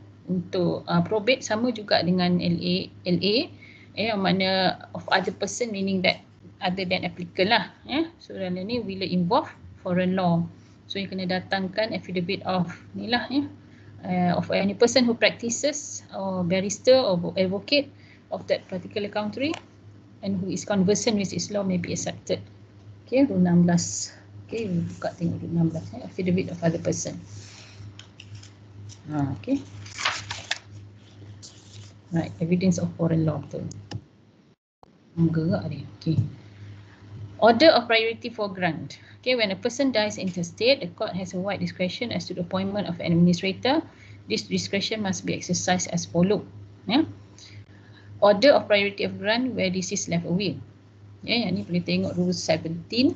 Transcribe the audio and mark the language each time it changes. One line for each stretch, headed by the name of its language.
Malay: Untuk probate sama juga dengan LA. Yang mana
English: of other person meaning that other than applicant lah. So
Malay: dalam ni
English: will involve foreign law. So you
Malay: kena datangkan
English: affidavit of ni lah. Of any person who practices or barrister or advocate of that particular country and who is conversant with its law may be accepted. Okay, rule 16. Okay, we
Malay: buka tengok
English: rule 16. Affidavit of other person. Okay. Right, evidence of foreign law tu. Okay. Order of priority for grant. Okay, when a person dies interstate, the court has a wide discretion as to the appointment of an administrator. This discretion must be exercised as follows. Yeah. Order of priority of grant where this is left away.
Malay: Yeah, yang ni boleh tengok rule 17.